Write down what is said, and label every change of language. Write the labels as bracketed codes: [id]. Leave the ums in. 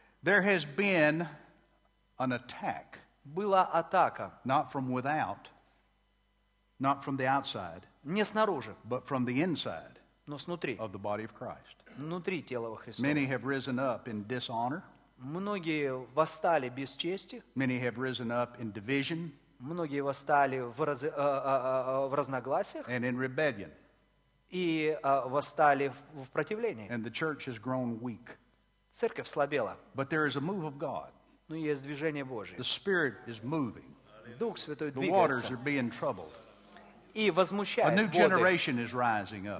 [en] There has been an attack. [ru] Была атака. [en] Not from without. Not from the outside. [ru] Не снаружи. [en] But from the inside. [ru] Но снутри. [en] Of the body of Christ. [ru] внутри тела во Христа. [en] Many have risen up in dishonor. Многие восстали без чести. Many have risen up in division. Многие восстали в, раз, э, э, в разногласиях. And in rebellion. И э, восстали в противлении. And the church has grown weak. Церковь слабела. But there is a move of God. [ru] Но есть движение Божье. [en] The Spirit is moving. [ru] Дух Святой двигается. [en] The waters are being troubled. A new generation is rising up.